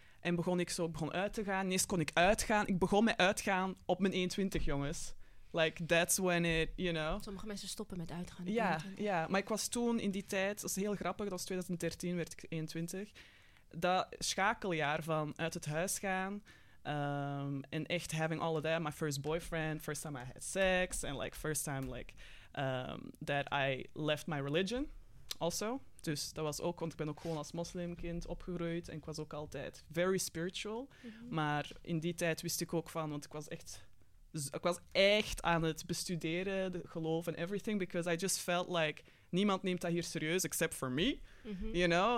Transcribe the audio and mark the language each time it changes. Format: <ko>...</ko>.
<nl>En begon ik zo begon uit te gaan. Eerst kon ik uitgaan. Ik begon met uitgaan op mijn 21, jongens.</nl> <en>Like, that's when it, you know.</en> <nl>Sommige mensen stoppen met uitgaan. Ja, ja, maar ik was toen in die tijd... Dat is heel grappig, dat was 2013, werd ik 21. Dat schakeljaar van uit het huis gaan... en echt</nl> <en>having all of that. My first boyfriend, first time I had sex. And like first time like that I left my religion, also.</en> <nl>Dus dat was ook, want ik ben ook gewoon als moslimkind opgegroeid en ik was ook altijd</nl> <en>very spiritual.</en> <nl>Mm-hmm. Maar in die tijd wist ik ook van, want ik was echt aan het bestuderen, de geloof en everything,</nl> <en>because I just felt like,</en> <nl>niemand neemt dat hier serieus,</nl> <en>except for me.</en> <nl>Mm-hmm.</nl> <en>You know?</en>